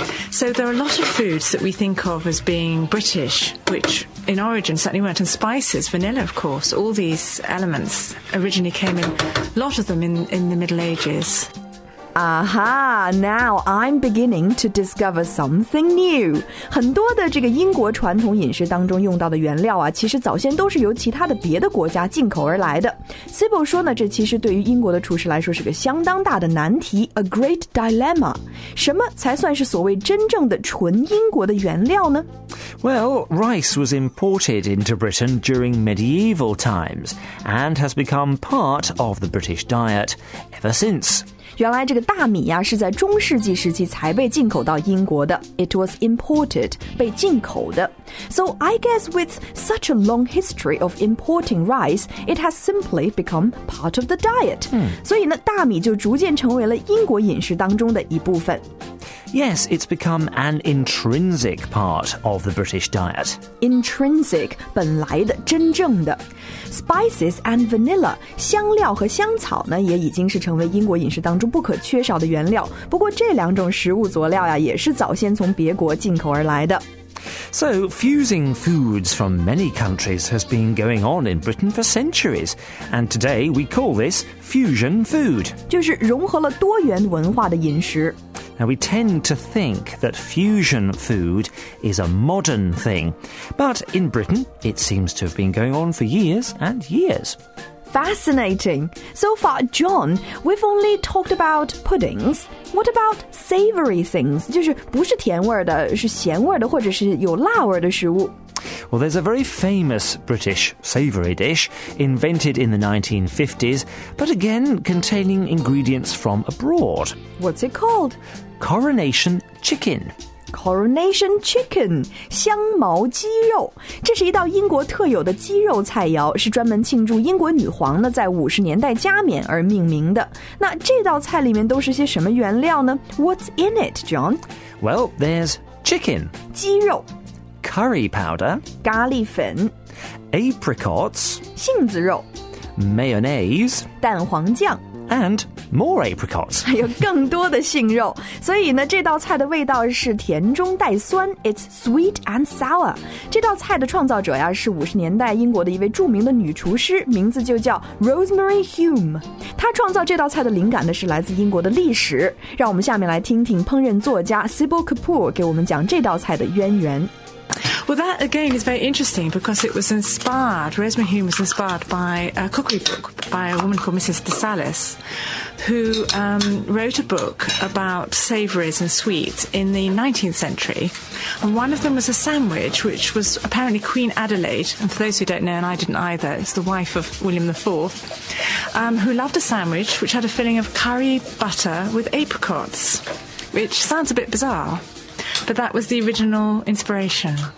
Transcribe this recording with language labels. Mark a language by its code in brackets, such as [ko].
[en] So there are a lot of foods that we think of as being British, which in origin certainly weren't. And spices, vanilla, of course, all these elements originally came in, a lot of them in the Middle Ages. Aha, now I'm beginning to discover something new. [zh] 很多的这个英国传统饮食当中用到的原料啊，其实早先都是由其他的别的国家进口而来的。 Sybil 说呢，这其实对于英国的厨师来说是个相当大的难题 , [en] a great dilemma. [zh] 什么才算是所谓真正的纯英国的原料呢？ [en] Well, rice was imported into Britain during medieval times and has become part of the British diet ever since. [zh] 原来这个大米啊是在中世纪时期才被进口到英国的。 [en] It was imported, [zh] 被进口的。 [en] So I guess with such a long history of importing rice, it has simply become part of the diet. [zh] 所以呢大米就逐渐成为了英国饮食当中的一部分。 [en] Yes, it's become an intrinsic part of the British diet. [zh] Intrinsic, 本来的,真正的。 [en] Spices and vanilla, [zh] 香料和香草呢,也已经是成为英国饮食当中不可缺少的原料。不过这两种食物佐料呀,也是早先从别国进口而来的。 [en] So, fusing foods from many countries has been going on in Britain for centuries, and today we call this fusion food. [zh] 就是融合了多元文化的饮食。 [en] Now, we tend to think that fusion food is a modern thing, but in Britain, it seems to have been going on for years and years. Fascinating. So far, John, we've only talked about puddings. What about savory things? [zh] 就是不是甜味的,是咸味的,或者是有辣味的食物。 [en] Well, there's a very famous British savory dish invented in the 1950s, but again, containing ingredients from abroad. What's it called? Coronation chicken. [zh] Coronation chicken, 香茅鸡肉。这是一道英国特有的鸡肉菜肴，是专门庆祝英国女皇呢在50年代加冕而命名的。那这道菜里面都是些什么原料呢 ? [en] What's in it, John? Well, there's chicken, [zh] 鸡肉 [en] ,curry powder, [zh] 咖喱粉 [en] ,apricots, [zh] 杏子肉 [en] ,mayonnaise, [zh] 蛋黄酱 [en] ,and,More apricots. [zh] 还有更多的杏肉。所以呢这道菜的味道是甜中带酸。 [en] It's sweet and sour. [zh] 这道菜的创造者呀是50年代英国的一位著名的女厨师名字就叫 Rosemary Hume. 她创造这道菜的灵感呢是来自英国的历史。让我们下面来听听烹饪作家 Sybil Kapoor 给我们讲这道菜的渊源。 [en] Well, that again is very interesting because it was inspired, Rosemary Hume was inspired by a cookery book by a woman called Mrs. DeSalis, who, wrote a book about savouries and sweets in the 19th century. And one of them was a sandwich, which was apparently Queen Adelaide, and for those who don't know, and I didn't either, it's the wife of William IV, who loved a sandwich which had a filling of curry butter with apricots, which sounds a bit bizarre.But that was the original inspiration.